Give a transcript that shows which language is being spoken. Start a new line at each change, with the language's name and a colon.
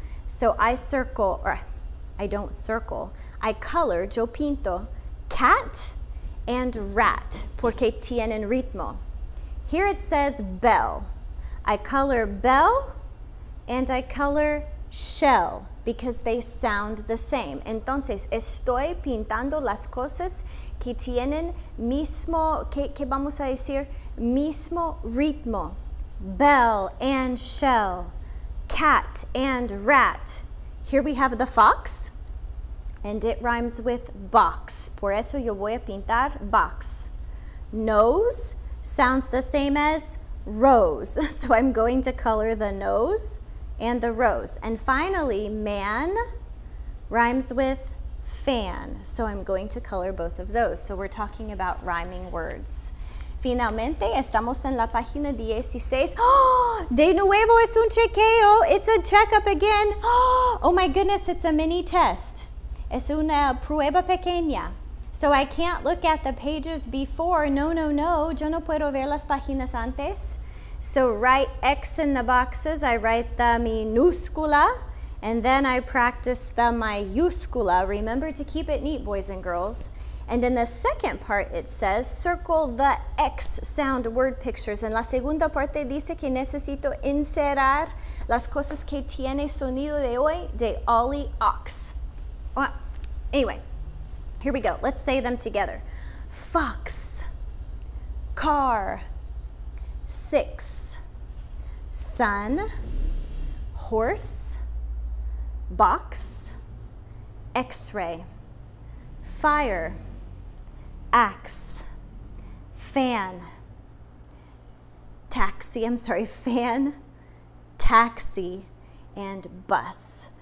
English: So I color,
Spanish: yo pinto
English: cat and rat,
Spanish: porque tienen ritmo.
English: Here it says bell. I color bell and I color shell because they sound the same.
Spanish: Entonces, estoy pintando las cosas que tienen mismo, que vamos a decir, mismo ritmo.
English: Bell and shell, cat and rat. Here we have the fox, and it rhymes with box.
Spanish: Por eso yo voy a pintar
English: box. Nose sounds the same as rose, so I'm going to color the nose and the rose. And finally, man rhymes with fan, so I'm going to color both of those. So we're talking about rhyming words.
Spanish: Finalmente, estamos en la página 16. Oh, de nuevo es un chequeo.
English: It's a checkup again. Oh my goodness, it's a mini test.
Spanish: Es una prueba pequeña.
English: So I can't look at the pages before.
Spanish: No, no, no. Yo no puedo ver las páginas antes.
English: So write X in the boxes. I write the minúscula. And then I practice the mayúscula. Remember to keep it neat, boys and girls. And in the second part, it says, circle the X sound word pictures.
Spanish: En la segunda parte dice que necesito encerrar las cosas que tiene sonido de hoy de Ollie Ox.
English: Well, anyway, here we go. Let's say them together. Fox, car, six, sun, horse, box, X-ray, fire, axe, fan, taxi, I'm sorry, fan, taxi, and bus.